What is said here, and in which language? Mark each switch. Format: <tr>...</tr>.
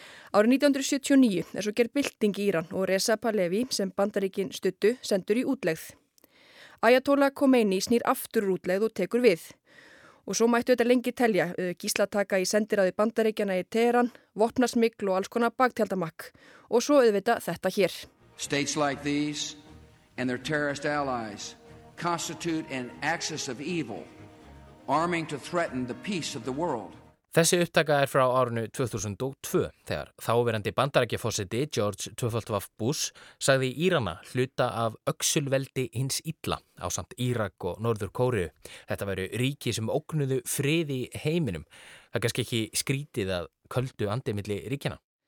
<is>Árið 1979 er svo gerð bylting í Íran og Reza Pahlavi sem bandaríkin studdu sendur í útlegð. Ayatollah Khomeini snýr aftur úr útlegð og tekur við. Og svo mættu þetta lengi telja, gíslataka í sendiráði Bandaríkjana í Teheran, vopnasmygl og alls konar baktjaldamakk. Og svo auðvitað þetta hér.</is> <en>States like these and their terrorist allies constitute an axis of evil, arming to threaten the peace of the world.</en> <is>Þessi upptaka frá árinu 2002, þegar þáverandi bandaríkjaforseti George W. Bush sagði Írana hluta af öxulveldi hins illa ásamt Írak og Norður Kóreu. Þetta væru ríki sem ógnuðu friði heiminum. Það er kannski ekki skrítið að köldu andi milli ríkjana.</is>